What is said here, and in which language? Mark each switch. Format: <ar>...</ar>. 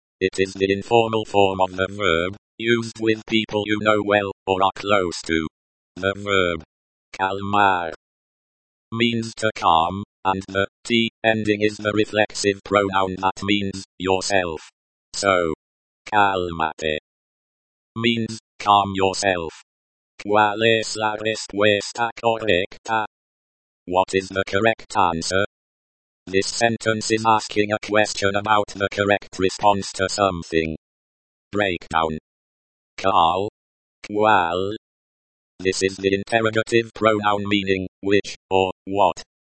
<en>It is the informal form of the verb, used with people you know well or are close to. The verb calmar means to calm, and the T ending is the reflexive pronoun that means yourself. So, cálmate means calm yourself.</en> <es>¿Cuál es la respuesta correcta?</es> <en>What is the correct answer? This sentence is asking a question about the correct response to something. Breakdown. ¿Cuál? ¿Cuál? This is the interrogative pronoun meaning which or what.</en>